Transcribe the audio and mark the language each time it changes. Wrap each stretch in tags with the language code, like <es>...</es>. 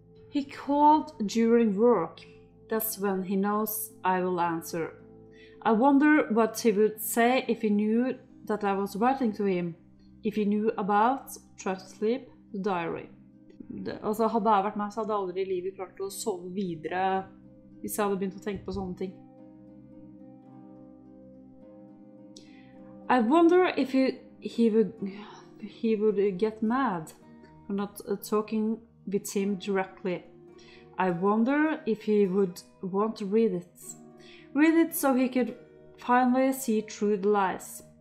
<en>He called during work. That's when he knows I will answer. I wonder what he would say if he knew that I was writing to him. If he knew about Try to Sleep, the diary.</en> <no>Altså, hadde jeg vært meg, så hadde jeg aldri i livet klart å sove videre hvis jeg hadde begynt å tenke på sånne ting.</no> <en>I wonder if he would get mad for not talking with him directly. I wonder if he would want to read it. Read it so he could finally see through the lies.</en>